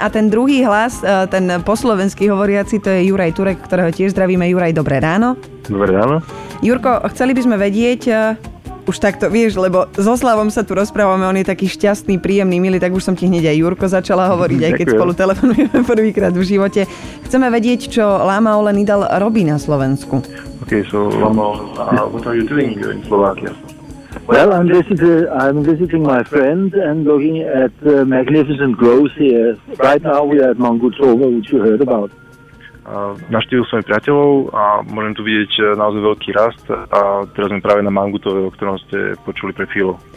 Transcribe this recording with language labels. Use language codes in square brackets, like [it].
[sk] A ten druhý hlas, ten po slovensky hovoriaci, to je Juraj Turek, ktorého tiež zdravíme. Juraj, dobré ráno. Dobré ráno. Jurko, chceli by sme vedieť... Už takto, vieš, lebo so Slavom sa tu rozprávame, on je taký šťastný, príjemný, milý, tak už som ti hneď aj Jurko začala hovoriť, aj keď spolu telefonujeme prvýkrát v živote. Chceme vedieť, čo Lama Ole Nidal robí na Slovensku. [en] Ok, so Lama, what are you doing in Slovakia? Well, I'm visiting my friend and looking at the magnificent growth here. Right now we are at Mangutova, which you heard about. [sk] Navštívil som aj priateľov a môžem tu vidieť naozaj veľký rast a teraz sme práve na Mangutove, o ktorom ste počuli pre chvíľu.